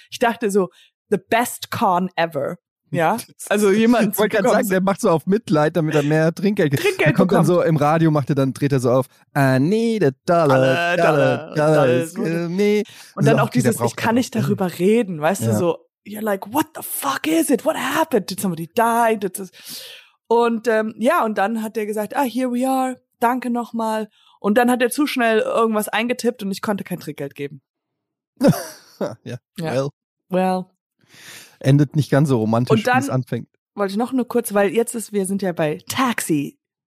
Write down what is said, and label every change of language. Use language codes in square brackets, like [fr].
[de] Ich dachte so, [en] the best con ever. [de] Ja, also jemand. Ich wollte gerade sagen, der macht so auf Mitleid, damit er mehr Trinkgeld kriegt. Trinkgeld kommt bekommt. Dann so im Radio, macht er dann, dreht er so auf, [en] I need a dollar, dollar. [de] Und dann so, auch dieses, ich kann nicht darüber reden, weißt ja. du, so, [en] you're like, what the fuck is it? What happened? Did somebody die? Did this? [de] Und ja, und dann hat er gesagt, [en] ah, here we are, [de] danke nochmal. Und dann hat er zu schnell irgendwas eingetippt und ich konnte kein Trinkgeld geben. Ja. Ja, well. [en] Well. [de] Endet nicht ganz so romantisch, wie es anfängt. Und dann wollte ich noch nur kurz, weil jetzt ist, wir sind ja bei Taxi.